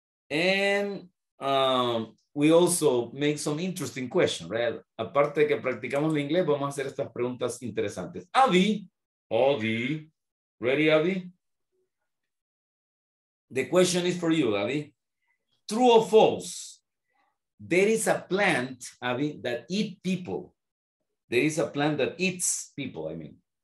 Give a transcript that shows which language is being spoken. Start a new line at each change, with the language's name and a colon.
English: And we also make some interesting questions, right?
Spanish: Aparte de que practicamos el inglés, vamos a hacer estas preguntas interesantes.
English: Abby, Abby, ready, Abby? The question is for you, Abby. True or false? there is a plant, Abby, that eats people. There is a plant that eats people, I mean.